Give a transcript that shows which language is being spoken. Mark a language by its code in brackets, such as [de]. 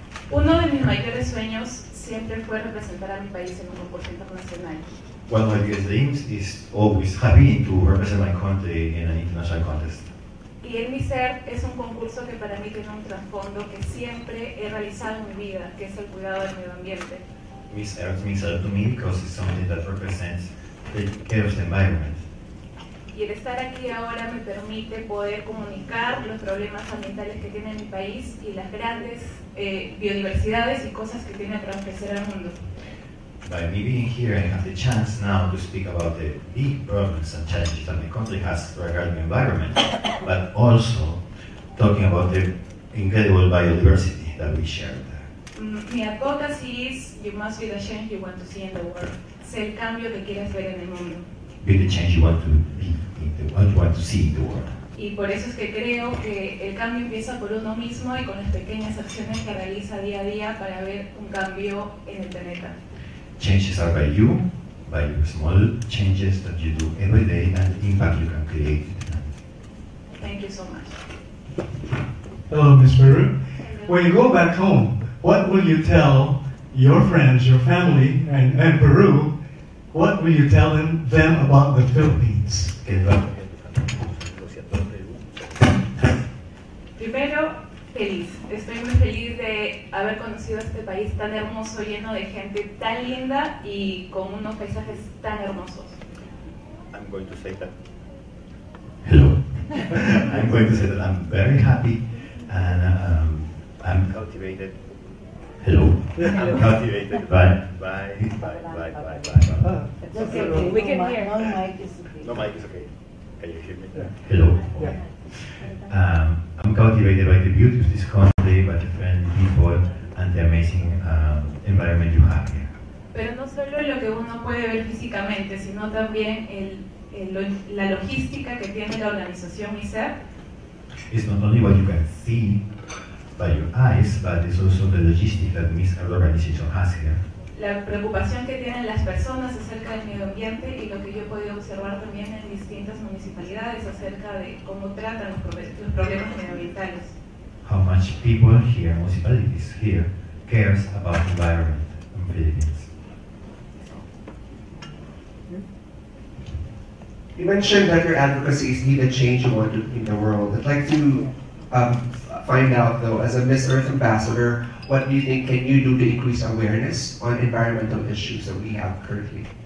[es] Uno de mis mayores sueños siempre fue representar a mi país en un concurso internacional. [en] One of my biggest dreams is always having to represent my country in an international contest. [es] Y el MISER es un concurso que para mí tiene un trasfondo que siempre he realizado en mi vida, que es el cuidado del medio ambiente. [en] Miss Earth means a lot to me because it's something that represents the care of the environment. [es] Y el estar aquí ahora me permite poder comunicar los problemas ambientales que tiene mi país y las grandes biodiversidades y cosas que tiene para ofrecer al mundo. [en] By me being here, I have the chance now to speak about the big problems and challenges that the country has regarding the environment, but also talking about the incredible biodiversity that we share there. [es] Mi hipótesis [en] is, you must be the change you want to see in the world. [es] Sé el cambio que quieres ver en el mundo. [en] Be the change you want to be in the world, you want to see in the world. [es] Y por eso es que creo que el cambio empieza por uno mismo y con las pequeñas acciones que realiza día a día para ver un cambio en el planeta. [en] Changes are by your small changes that you do every day and the impact you can create. Thank you so much. Hello, Ms. Peru. When you go back home, what will you tell your friends, your family, and Peru? What will you tell them about the Philippines? [es] Primero, feliz. Estoy muy feliz de haber conocido este país tan hermoso, lleno de gente tan linda y con unos paisajes tan hermosos. [en] I'm going to say that. Hello. I'm going to say that I'm very happy and I'm cultivated. Hello. I'm cultivated. Bye. It's okay. We can hear. No mic is okay. Can you hear me? Yeah. Hello. Yeah. I'm cultivated by the beauty of this country, by the friendly people, and the amazing environment you have here. [es] Pero no solo lo que uno puede ver físicamente, sino también la logística que tiene la organización MISER. [en] It's not only what you can see by your eyes, but it's also the logistics that MISER organization has here. [es] La preocupación que tienen las personas acerca del medio ambiente y lo que yo he podido observar también en distintas municipalidades acerca de cómo tratan los problemas medioambientales. [en] How much people here, municipalities here, cares about the environment and Philippines. You mentioned that your advocacy is need a change you want to in the world. I'd like to find out though, as a Miss Earth ambassador, what do you think can you do to increase awareness on environmental issues that we have currently?